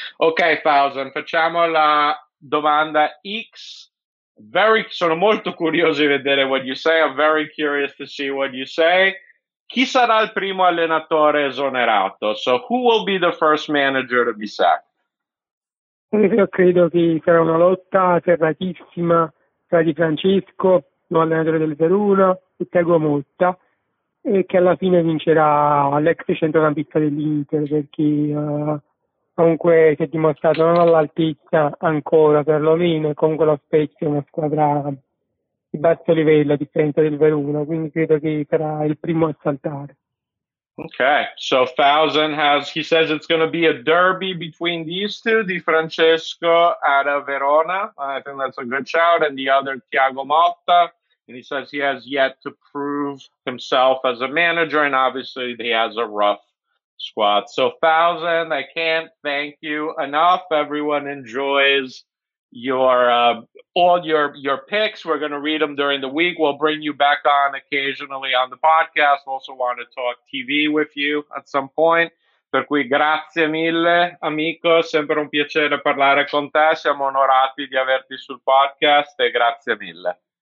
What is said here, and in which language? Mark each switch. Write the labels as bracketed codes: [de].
[it] Okay, Thousand, facciamo la domanda X. Sono molto curioso di vedere [en] what you say. I'm very curious to see what you say. [it] Chi sarà il primo allenatore esonerato? [en] So who will be the first manager to be sacked? [it] Io credo che sarà una lotta serratissima tra Di Francesco, l'allenatore del Verona, e Thiago Motta. e che alla fine vincerà l'ex centrocampista dell'Inter, perché comunque si è dimostrato non all'altezza ancora, perlomeno, e comunque lo Spezia è una squadra di basso livello a differenza del Verona, quindi credo che sarà il primo a saltare. [en] Okay, so Fausen has, he says it's going to be a derby between these two, Di Francesco out of Verona. I think that's a good shout. And the other, Thiago Motta. And he says he has yet to prove himself as a manager. And obviously, he has a rough squad. So Fausen, I can't thank you enough. Everyone enjoys all your picks. We're going to read them during the week. We'll bring you back on occasionally on the podcast. Also want to talk TV with you at some point. [it] Per cui grazie mille, amico, sempre un piacere parlare con te. Siamo onorati di averti sul podcast e grazie mille.